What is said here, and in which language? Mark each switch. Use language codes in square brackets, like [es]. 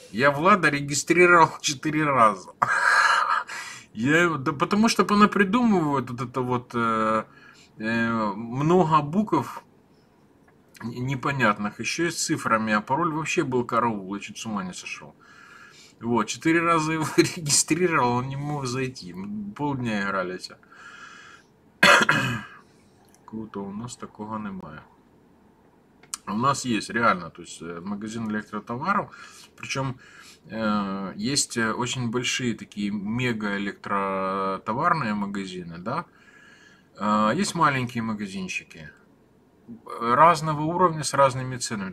[ru] Я Влада регистрировал 4 раза. Да потому что она придумывает вот это вот много букв непонятных, еще и с цифрами, а пароль вообще был караул, я чуть с ума не сошел. Вот, 4 раза его регистрировал, он не мог зайти. Полдня играли эти. [uk] Круто, у нас такого немає. [ru] У нас есть, реально, то есть магазин электротоваров, причем есть очень большие такие мега электротоварные магазины, да, есть маленькие магазинчики разного уровня с разными ценами.